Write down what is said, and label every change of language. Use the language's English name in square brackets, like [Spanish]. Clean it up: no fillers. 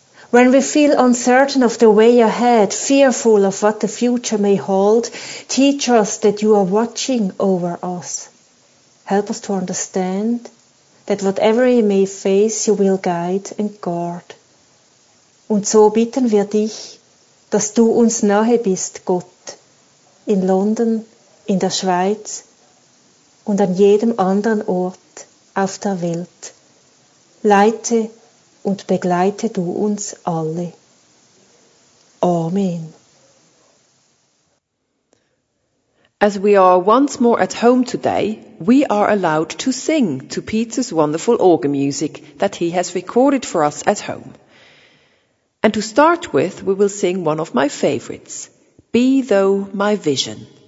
[English] When we feel uncertain of the way ahead, fearful of what the future may hold, teach us that you are watching over us. Help us to understand that whatever we may face, you will guide and guard. [German] Und so bitten wir dich, dass du uns nahe bist, Gott, in London, in der Schweiz und an jedem anderen Ort auf der Welt. Leite und begleite du uns alle. Amen. [English] As we are once more at home today, we are allowed to sing to Peter's wonderful organ music that he has recorded for us at home. And to start with, we will sing one of my favorites, Be Thou My Vision.